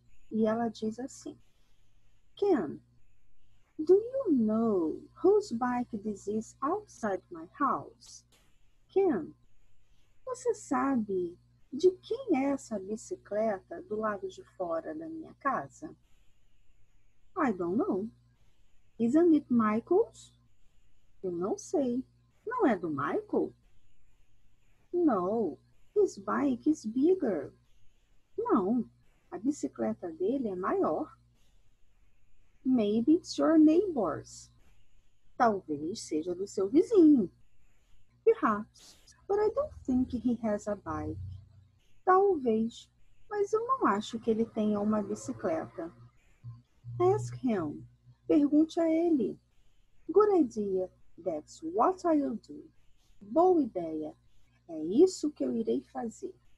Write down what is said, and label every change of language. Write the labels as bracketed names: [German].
[Portuguese] E ela diz assim: [English] Ken, do you know whose bike this is outside my house? [Portuguese] Ken, você sabe de quem é essa bicicleta do lado de fora da minha casa? [English] I don't know. Isn't it Michael's? [Portuguese] Eu não sei. Não é do Michael? [English] No, his bike is bigger. [Portuguese] Não, a bicicleta dele é maior. [English] Maybe it's your neighbor's. [Portuguese] Talvez seja do seu vizinho. [English] Perhaps. But I don't think he has a bike. [Portuguese] Talvez, mas eu não acho que ele tenha uma bicicleta. [English] Ask him. [Portuguese] Pergunte a ele. [English] Good idea. That's what I'll do. [Portuguese] Boa ideia. É isso que eu irei fazer.